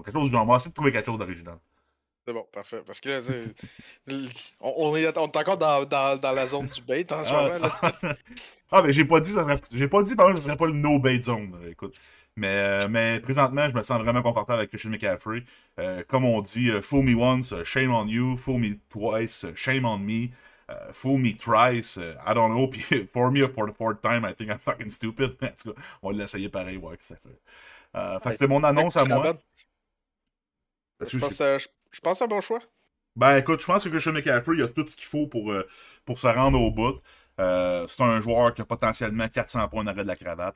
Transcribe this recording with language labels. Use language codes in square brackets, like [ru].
[fr] Quelque chose, je vais essayer de trouver quelque chose d'original. C'est bon, parfait. Parce que là, on est encore dans la zone du bait en ce moment. Là. Ah, mais j'ai pas dit, par exemple, ce serait pas le no bait zone, écoute. Mais présentement, je me sens vraiment confortable avec Christian McCaffrey. Comme on dit, [en] fool me once, shame on you. Fool me twice, shame on me. Fool me thrice, I don't know. [fr] Puis [en] for me, for the fourth time, I think I'm fucking stupid. [fr] Mais en tout cas, on va l'essayer pareil, voir que ça fait. Fait que c'était mon annonce à moi. Je pense à un bon choix. Ben écoute, je pense que Christian McCaffrey, il a tout ce qu'il faut pour se rendre au bout. C'est un joueur qui a potentiellement 400 points d'arrêt de la cravate.